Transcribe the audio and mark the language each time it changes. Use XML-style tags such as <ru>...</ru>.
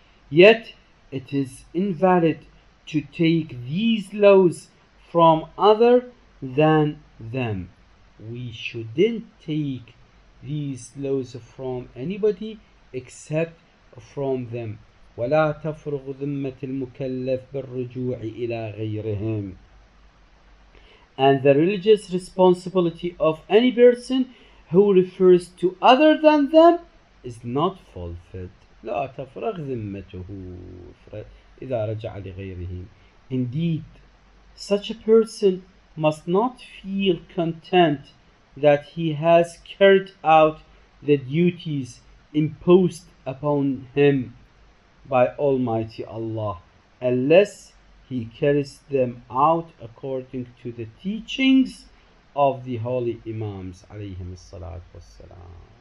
<en>Yet it is invalid to take these laws from other than them. We shouldn't take these laws from anybody except from them.</en> <ar>ولا تفرغ ذمة المكلف بالرجوع إلى غيرهم.</ar> <en>And the religious responsibility of any person who refers to other than them is not fulfilled.</en> <ar>لا تفرغ ذمته إذا رجع لغيرهم.</ar> <en>Indeed, such a person must not feel content that he has carried out the duties imposed upon him by Almighty Allah, unless he carries them out according to the teachings of the holy imams alayhim as-salatu was-salam.</en>